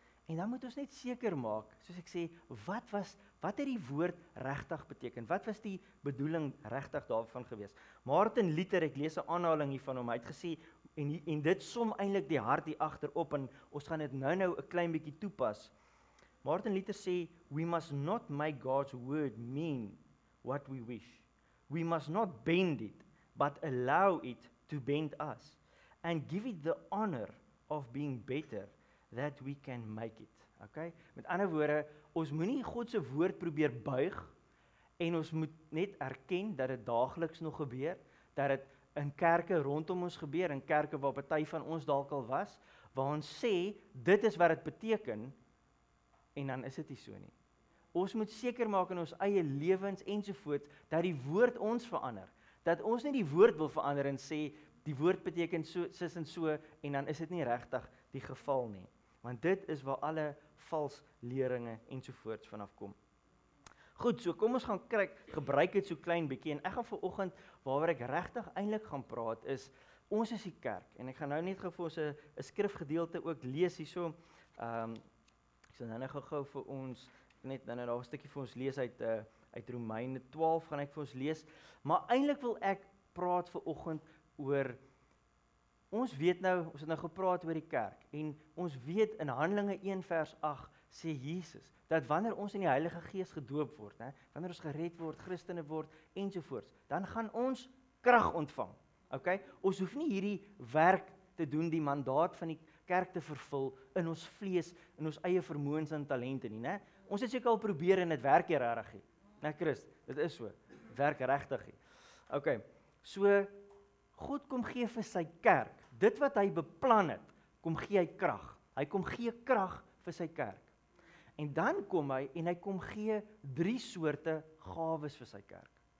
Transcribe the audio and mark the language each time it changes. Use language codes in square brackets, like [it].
[af] En dan moet ons net seker maak, soos ek sê, wat het die woord regtig beteken, wat was die bedoeling regtig daarvan gewees. Martin Luther, ek lees 'n aanhaling hiervan om, hy het gesê, En dit som eintlik die hart hier agter op en ons gaan dit nou 'n klein bietjie toepas. [en] Martin Luther sê, we must not make God's word mean what we wish. We must not bend it, but allow it to bend us. And give it the honor of being better that we can make it. [af] Okay? Met ander woorde, ons moenie God se woord probeer buig en ons moet net erken dat dit daagliks nog gebeur, dat dit in kerke rondom ons gebeur, in kerke waar party van ons dalk al was, waar ons sê, dit is wat dit beteken, en dan is dit nie so nie. Ons moet seker maak in ons eie lewens ensovoorts, dat die woord ons verander, dat ons nie die woord wil verander en sê, die woord beteken so, sis en so, en dan is dit nie regtig die geval nie. Want dit is waar alle vals leringe ensovoorts vanaf kom. Goed, so kom ons gaan gebruik dit so klein bietjie en ek gaan vanoggend waaroor ek regtig eintlik gaan praat is ons is die kerk en ek gaan nou net gou vir ons 'n skrifgedeelte ook lees hierso. Ek sal nou gou vir ons net nou daar 'n stukkie vir ons lees uit Romeine 12 gaan ek vir ons lees. Maar eintlik wil ek praat vanoggend oor ons weet nou, ons het nou gepraat oor die kerk en ons weet in Handelinge 1 vers 8 sê Jesus, dat wanneer ons in die Heilige Gees gedoop word, hè, wanneer ons gered word, Christene word, ensovoorts, dan gaan ons krag ontvang. Okay? Ons hoef nie hierdie werk te doen, die mandaat van die kerk te vervul, in ons vlees, in ons eie vermoëns en talente nie. Hè? Ons het seker al probeer en het werk hier regtig. Nee, Chris, dit is so. Werk regtig. Okay, so, God kom gee vir sy kerk, dit wat hy beplan het, kom gee hy krag. Hy kom gee krag vir sy kerk. En dan kom hy, en hy kom gee drie soorte gawes vir sy kerk.